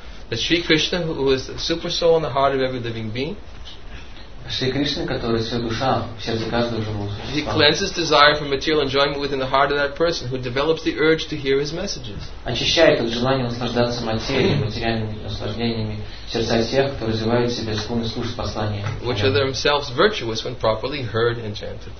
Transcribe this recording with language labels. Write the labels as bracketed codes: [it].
[en] That Sri Krishna, who is the super soul in the heart of every living being, he cleanses desire for material enjoyment within the heart of that person who develops the urge to hear his messages. [ru] Очищает от желания наслаждаться материальными наслаждениями сердца тех, кто развивает в себе склонность слушать послания. [en] Which are themselves virtuous when properly heard and chanted.